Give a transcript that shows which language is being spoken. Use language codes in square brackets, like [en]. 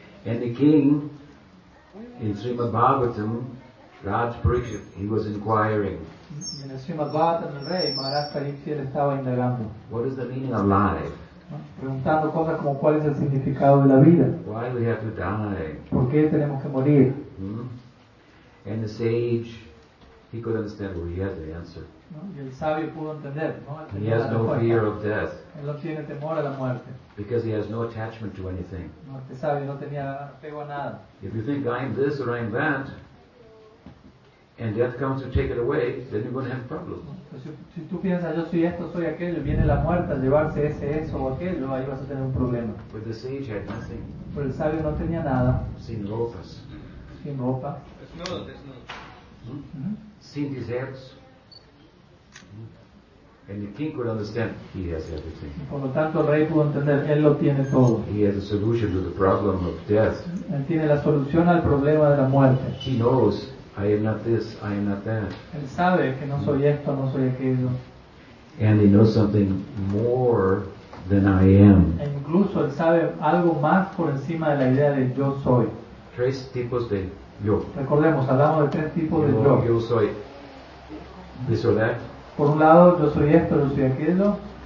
[en] And the king in Srimad Bhagavatam, Raj Parikshit, he was inquiring. [es] En el Srimad Bhagavatam, el rey Maharaj Parikshit estaba indagando. [en] What is the meaning of life? [es] Preguntando cosas como cuál es el significado de la vida. [en] Why we have to die? [es] ¿Por qué tenemos que morir? [en] And the sage, he could understand, well, he has the answer. [es] Y el sabio pudo entender, [en] he has no fear of death. [es] Él no tiene temor a la muerte. [en] Because he has no attachment to anything. [es] No, este sabio no tenía apego a nada. [en] If you think I'm this or I'm that, and death comes to take it away, then you're going to have problems. [es] Si tú piensas yo soy esto, soy aquello, viene la muerte a llevarse ese eso o aquello, ahí vas a tener un problema. [en] But the sage had nothing. [es] Pero el sabio no tenía nada. Sin ropas. Sin ropa. Desnudo, desnudo. Sin deserts. [en] And the king could understand he has everything. [es] Por lo tanto, el rey pudo entender, él lo tiene todo. [en] He has a solution to the problem of death. [es] Él tiene la solución al problema de la muerte. [en] He knows I am not this, I am not that. [es] Él sabe que no soy esto, no soy aquello. [en] And he knows something more than I am. [es] E incluso él sabe algo más por encima de la idea de yo soy. Tres tipos de yo. Recordemos, hablamos de tres tipos de yo. Yo soy [en] this or that. [es] Por un lado, yo soy esto, yo soy aquello.